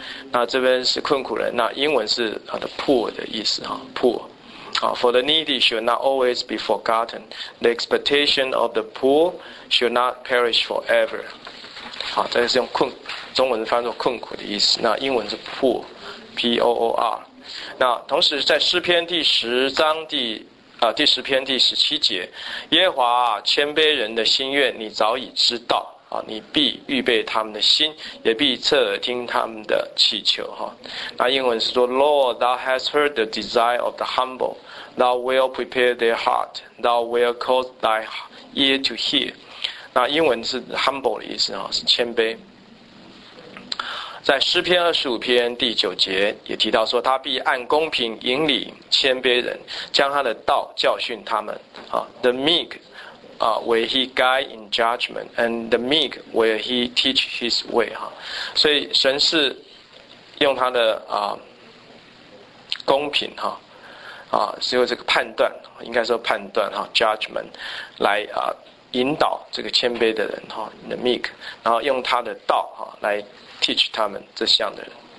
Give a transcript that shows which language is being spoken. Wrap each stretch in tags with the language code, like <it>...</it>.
<zh>那这边是困苦人，那英文是它的 poor 的意思poor</zh> <en>For the needy should not always be forgotten. The expectation of the poor should not perish forever.</en> <zh>好，这是用困，中文翻作困苦的意思。那英文是 poor, P-O-O-R。那同时在诗篇第十章第第十篇第17节，耶和华啊，谦卑人的心愿你早已知道。你必预备他们的心，也必侧耳听他们的祈求。那英文是说</zh> <en>Lord, thou hast heard the desire of the humble. Thou will prepare their heart. Thou will cause thy ear to hear.</en> <zh>那英文是 humble 的意思，是谦卑。在诗篇25篇第9节也提到说，他必按公平引领谦卑人，将他的道教训他们。</zh> <en>The meek will he guide in judgment, and the meek will he teach his way.</en> <zh>所以神是用他的公平是用这个判断，应该说判断judgment 来引导这个谦卑的人</zh> <en>the meek，</en> <zh>然后用他的道来 teach 他们这项的人。</zh>